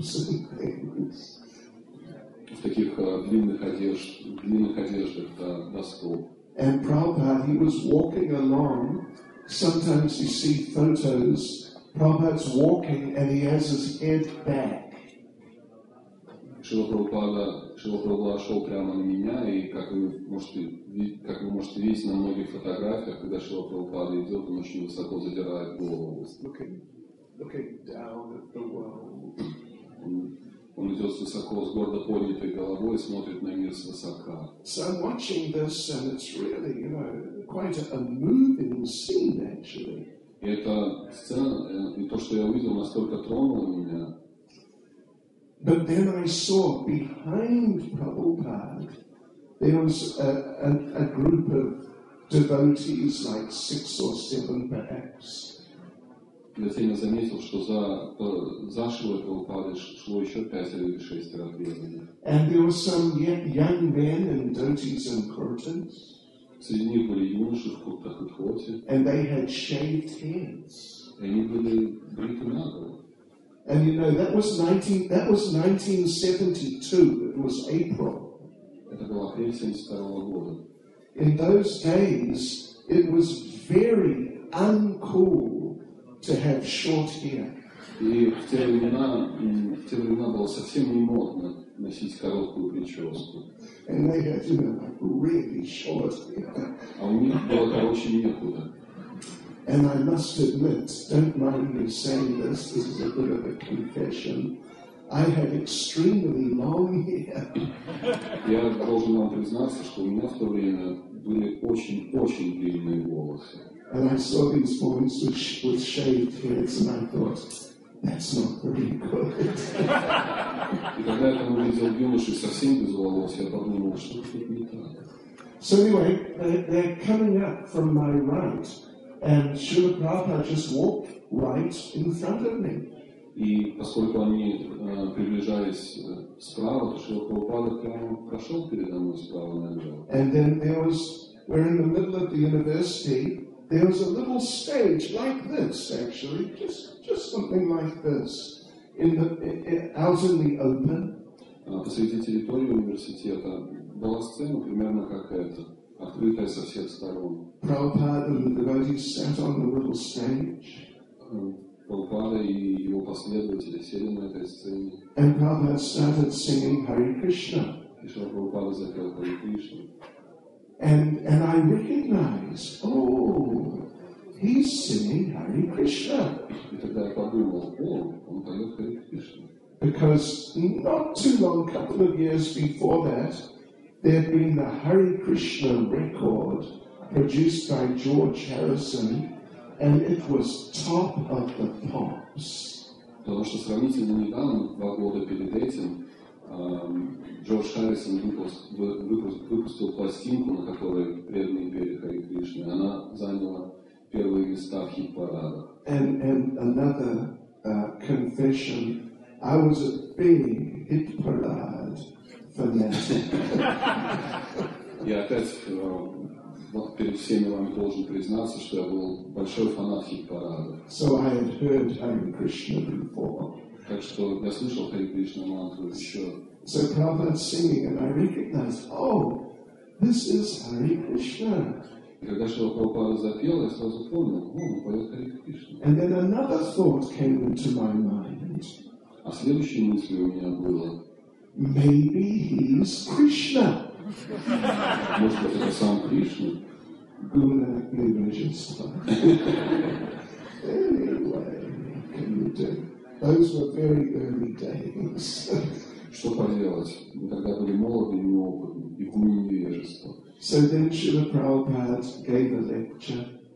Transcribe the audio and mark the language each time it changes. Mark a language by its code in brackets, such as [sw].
[ru] В таких длинных одеждах, да, до стол. [en] And Prabhupada, he was walking along. Sometimes you see photos, Prabhupada's walking and he has his head back. [ru] Шрила Прабхупада шел прямо на меня, и как вы можете видеть на многих фотографиях, когда Шрила Прабхупада идет, он очень высоко задирает голову. [en] Looking down at the world. [ru] Он идет высоко, с гордо поднятой головой, и смотрит на мир свысока. [en] So I'm watching this, and it's really, you know, quite a moving scene, actually. [ru] И эта сцена, и то, что я увидел, настолько тронуло меня. [en] But then I saw behind Prabhupada there was a group of devotees, like 6 or 7 perhaps. [ru] Затем я заметил, что за Шрилой Прабхупадой шло еще 5 или 6 отрядов. [en] And there were some young men in dhotis and kurtas. [ru] Среди них были юноши в куртах и хоте. [en] And they had shaved heads. [ru] И они были бриты наголо. [en] And you know, that was 1972. It was April. [ru] Это было апрель 72 года. [en] In those days, it was very uncool to have short hair. [ru] И в те времена было совсем не модно носить короткую прическу. [en] And they had, you know, like really short hair. [ru] А у них было короче некуда. [en] And I must admit, don't mind me saying this, this is a bit of a confession, I had extremely long hair. [ru] Я должен вам признаться, что у меня в то время были очень-очень длинные волосы. [en] And I saw these boys with shaved heads, and I thought, that's not very good. [ru] И когда я там увидел юношей совсем без волос, я подумал, что тут не так. [en] So anyway, they're coming up from my right. And Srila Prabhupada just walked right in front of me. [ru] И поскольку они приближались справа, то Шрила Прабхупада прямо прошел передо мной справа налево. [en] And then we're in the middle of the university. There was a little stage like this, actually, just something like this, out in the open. [ru] Посреди территории университета была сцена примерно как эта. Открытая со всех сторон. [en] Prabhupada and the devotees sat on the little stage. [ru] Prabhupada и его последователи сели на этой сцене. [en] And Prabhupada started singing Hare Krishna. [ru] И что Прабхупада запел Hare Krishna. [en] And I recognized, oh, he's singing Hare Krishna. [ru] И тогда я подумал, о, он поет Hare Krishna. [en] Because not too long, a couple of years before that, there had been the Hare Krishna record produced by George Harrison, and it was top of the pops. [ru] Потому что сравнительно недавно, два года перед этим, Джордж Харрисон выпустил пластинку, на которой преданные пели Харе Кришне. Она заняла первые места в хит-парадах. [en] And another confession. I was a big hit-parad fanatic. [ru] И опять перед всеми вами должен признаться, что я был большой фанат хит-парада. [en] So I had heard Hare Krishna before. [ru] Так что я слышал Харе Кришна мантру еще. [en] So Prabhupada's singing, and I recognized, oh, this is Hare Krishna. And then another thought came into my mind. [ru] А следующая мысль у меня была, [en] maybe he's Krishna. [ru] Может быть, это сам Кришна? [en] Guna Nirajastha. Anyway, can you do? Those were very early days. [ru] Что поделать? Мы тогда были молоды и неопытны, и куни невежества. [en] So then Srila Prabhupada gave a lecture.